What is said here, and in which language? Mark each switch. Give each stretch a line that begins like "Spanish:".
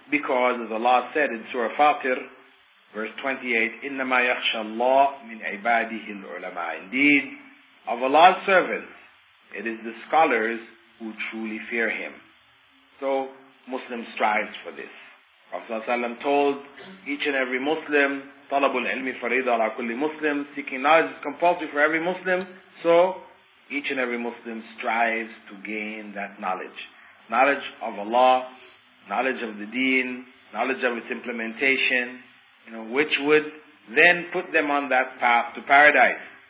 English: Because, as Allah said in Surah Fatir, verse 28,
Arabic: إِنَّمَا يَخْشَى اللَّهُ مِنْ عِبَادِهِ الْعُلَمَىٰ.
English: Indeed, of Allah's servants, it is the scholars who truly fear Him. So, Muslim strives for this. Prophet ﷺ told each and every Muslim,
Arabic: طَلَبُ الْعِلْمِ فَرِيدَ عَلَىٰ كُلِّ مُسْلِمِ.
English: Seeking knowledge is compulsory for every Muslim. So, each and every Muslim strives to gain that knowledge. Knowledge of Allah, knowledge of the deen, knowledge of its implementation, you know, which would then put them on that path to paradise.